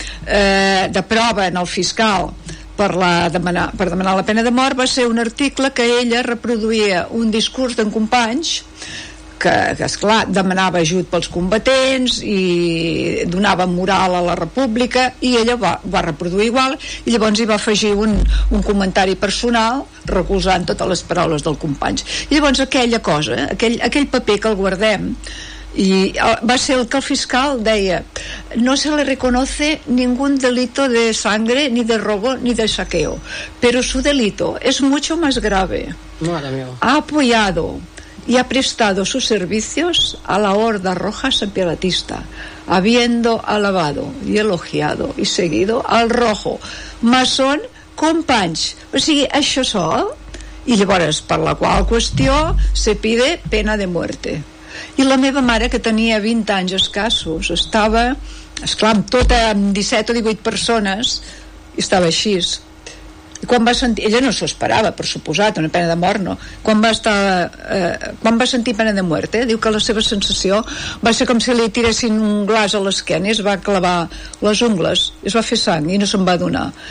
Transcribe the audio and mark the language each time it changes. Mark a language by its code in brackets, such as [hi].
[ca] de prova en el fiscal per demanar la pena de mort va ser un article que ella reproduïa un discurs d'en Companys, que esclar, demanava ajut pels combatents i donava moral a la República, i ella va reproduir igual, i llavors hi va afegir un comentari personal recolzant totes les paraules del Companys. I llavors aquella cosa, aquell paper que el guardem, i va ser el que el fiscal deia: [es] no se le reconoce ningún delito de sangre, ni de robo, ni de saqueo, pero su delito es mucho más grave. Madre mía. Ha apoyado y ha prestado sus servicios a la Horda Roja Sepialatista, habiendo alabado y elogiado y seguido al rojo masón Companys. [ca] O sigui, això sol, i llavors per la qual qüestió [es] se pide pena de muerte. [ca] I la meva mare, que tenia 20 anys escassos, estava, esclar, amb 17 o 18 persones, estava així, quan va sentir, ella no s'ho esperava, per suposat, una pena de mort, no? Quan va estar, quan va sentir pena de mort, diu que la seva sensació va ser com si li tiressin un glaç a l'esquena i es va clavar les ungles, es va fer sang i no se'n va adonar.